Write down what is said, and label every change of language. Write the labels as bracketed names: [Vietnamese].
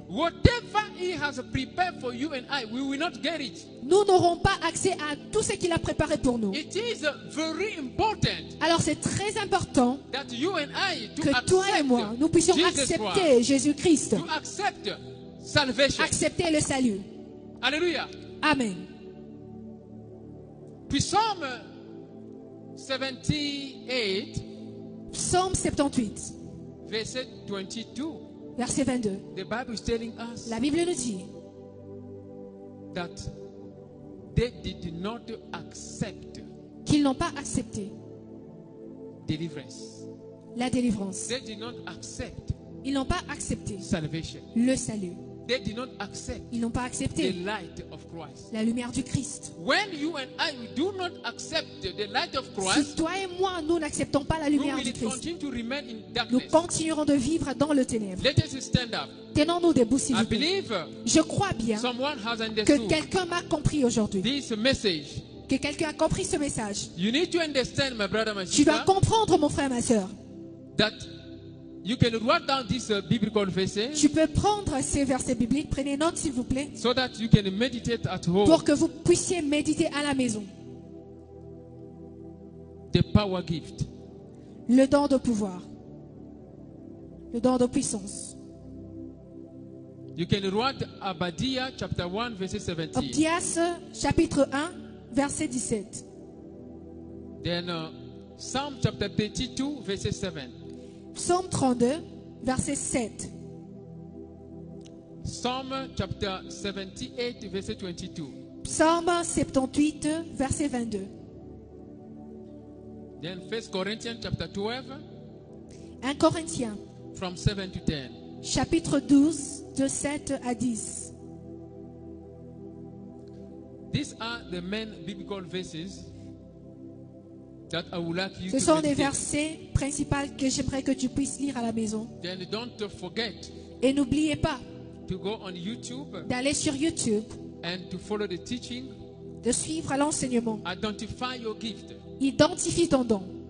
[English] Whatever he has prepared for you and I, we will not get it. [French] Nous n'aurons pas accès à tout ce qu'il a préparé pour nous. [English] It is very important. [French] Alors c'est très important [English] that you and I to [French] que toi et moi nous puissions [English] Jesus [French] accepter [English] Christ, [French] Jésus-Christ. [English] To accept salvation. [French] Accepter le salut. Alléluia. Amen. Puis Psalm 78. [English] Psalm 78. [French] Verset 22. Verset 22. [English] The Bible is telling us. [French] La Bible nous dit [English] that they did not accept [French] qu'ils n'ont pas accepté [English] deliverance. [French] La délivrance. [English] They did not accept [French] ils n'ont pas accepté [English] salvation. [French] Le salut. [English] They did not accept [French] ils n'ont pas accepté [English] the light of Christ. [French] La lumière du Christ. [English] When you and I do not accept the light of Christ, [French] si toi et moi nous n'acceptons pas la lumière [English] will [French] du Christ, [English] continue to remain in darkness. [French] Nous continuerons de vivre dans le ténèbre. [English] Let us stand up. [French] Tenons-nous debout, s'il vous plaît. [English] I believe [French] je crois bien que quelqu'un m'a compris aujourd'hui. [English] This message, [French] que quelqu'un a compris ce message. [English] You need to understand, my brother, my sister, [French] tu dois comprendre, mon frère, ma soeur, [English] that you can write down this biblical verse. [French] Tu peux prendre ces versets bibliques, prenez note s'il vous plaît, [English] so that you can meditate at home. [French] Pour que vous puissiez méditer à la maison. [English] The power gift. [French] Le don de pouvoir. Le don de puissance. [English] You can read Obadiah chapter 1 verse 17. [French] Obadiah chapitre 1 verset 17. [English] Then Psalm chapter 32 verse 7. [French] Psalm 32 verset 7. [English] Psalm chapter 78 verse 22. [French] Psalm 78 verset 22. [English] Then 1 Corinthians chapter 12. [French] 1 Corinthiens. [English] From 7 to 10. [French] Chapitre 12 de 7 à 10. [English] These are the main biblical verses that I would like you [French] Ce [English] to [French] sont [English] meditate. [French] Des versets principaux que j'aimerais que tu puisses lire à la maison. [English] Then don't forget. [French] Et n'oubliez pas [English] to go on YouTube. [French] D'aller sur YouTube. [English] And to follow the teaching. [French] De suivre l'enseignement. [English] Identify your gift. [French] Identifie ton don.